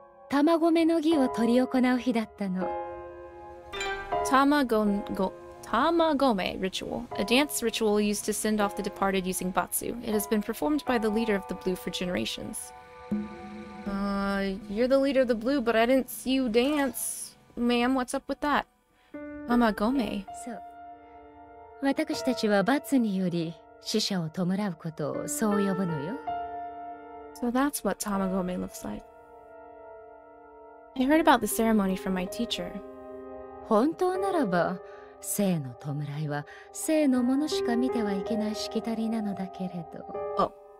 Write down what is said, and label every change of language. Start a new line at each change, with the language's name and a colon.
English: Tamagome ritual, a dance ritual used to send off the departed using Batsu. It has been performed by the leader of the Blue for generations. You're the leader of the Blue, but I didn't see you dance. Ma'am, what's up with that? Tamagome.
Japanese: So, 私たちはバツにより死者を弔うことをそう呼ぶのよ?
English: So that's what Tamagome looks like. I heard about the ceremony from my teacher.
Japanese: 本当ならば、 聖の弔いは聖のものしか見てはいけないしきたりなのだけれど...